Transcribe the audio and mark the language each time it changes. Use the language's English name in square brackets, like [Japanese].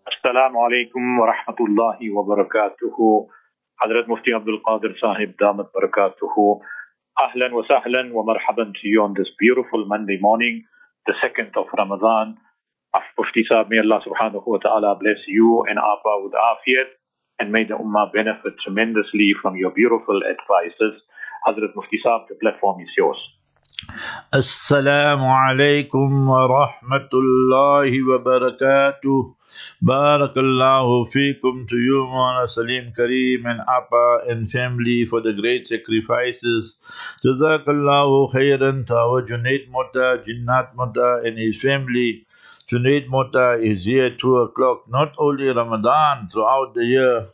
[Arabic] السلام عليكم ورحمة الله وبركاته. حضرة مفتي عبد القادر صاحب دامت بركاته، أهلا وسهلا ومرحبا [English] to you on this beautiful Monday morning, the 2nd of Ramadan. مفتي صاحب، may Allah سبحانه وتعالى bless you and Apa with Afiyat, and may the Ummah benefit tremendously from your beautiful advices. حضرة مفتي صاحب, the platform is yours. [Arabic] السلام عليكم ورحمة الله وبركاته. بارك الله فيكم [English] to you مولانا سليم كريم and Apa and family for the great sacrifices. [Arabic] جزاك الله خيرا [English] to our Junaid Mota, Jinnat Mota and his family. Junaid Mota is here 2 o'clock, not only Ramadan, throughout the year.